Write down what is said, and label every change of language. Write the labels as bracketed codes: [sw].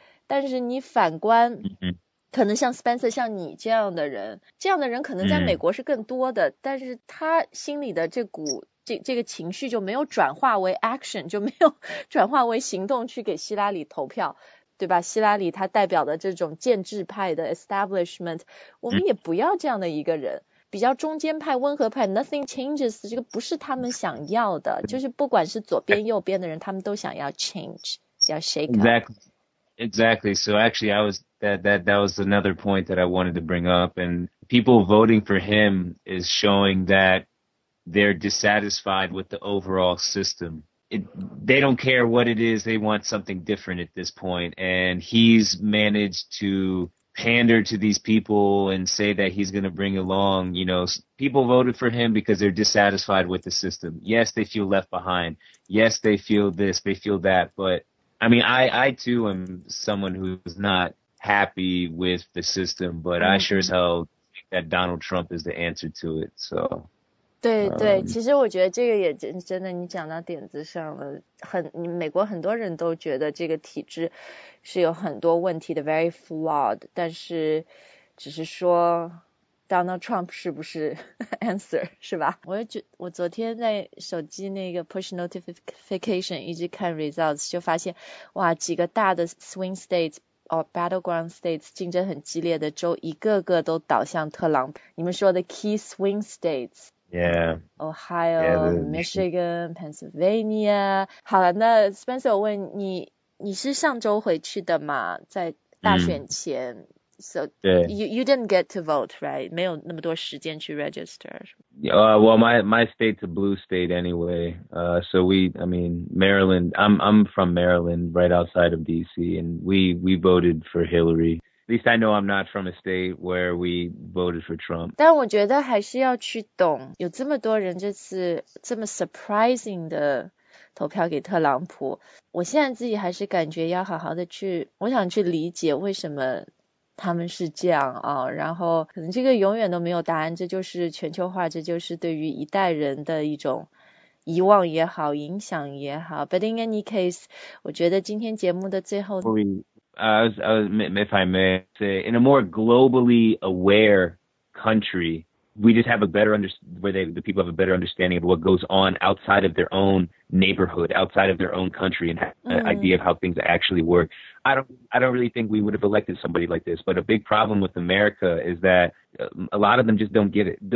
[zh] 但是你反观，可能像 Spencer 像你这样的人可能在美国是更多的、嗯、但是他心里的这个情绪就没有转化为 action， 就没有转化为行动去给希拉里投票，对吧？希拉里他代表的这种建制派的 establishment， 我们也不要这样的一个人、嗯、比较中间派温和派 [en] nothing changes， [zh] 这个不是他们想要的，就是不管是左边右边的人他们都想要 change， 要 [en] shake up。 Exactly. So actually I was that was another point that I wanted to bring up, and people voting for him is showing that they're dissatisfied with the overall system. They don't care what it is. They want something different at this point. And he's managed to pander to these people and say that he's going to bring along, you know, people voted for him because they're dissatisfied with the system. Yes, they feel left behind. Yes, they feel this, they feel that, but... I mean, I too am someone who's not happy with the system, but、mm-hmm. I sure as hell think that Donald Trump is the answer to it, so. [zh] 对对，其实我觉得这个也真的你讲到点子上了，美国很多人都觉得这个体制是有很多问题的 , [en] very flawed, [zh] 但是只是说 Donald Trump 是不是 answer, 是吧？我昨天在手机那个 push notification 一直看 results, 就发现哇几个大的 swing states,battleground states 竞争很激烈的州一个个都倒向特朗普，你们说的 key swing states [en] yeah [zh] Ohio yeah, Michigan Pennsylvania 好了，那 Spencer 我问你，你是上周回去的吗？在大选前、嗯、 [en] so [zh] 对 [en] you didn't get to vote right [zh] 没有那么多时间去 [en] register well my state's a blue state anyway so we I mean Maryland I'm from Maryland right outside of DC and we voted for Hillary least I know I'm not from a state where we voted for Trump. [zh] 但我觉得还是要去懂，有这么多人这次这么 surprising 的投票给特朗普，我现在自己还是感觉要好好的去，我想去理解为什么他们是这样啊，然后可能这个永远都没有答案，这就是全球化，这就是对于一代人的一种遗忘也好，影响也好。 [en] But in any case, [zh] 我觉得今天节目的最后 [en] if I may say, in a more globally aware country, we just have a better the people have a better understanding of what goes on outside of their own neighborhood, outside of their own country, and an idea of how things actually work. I don't really think we would have elected somebody like this, but a big problem with America is that a lot of them just don't get it.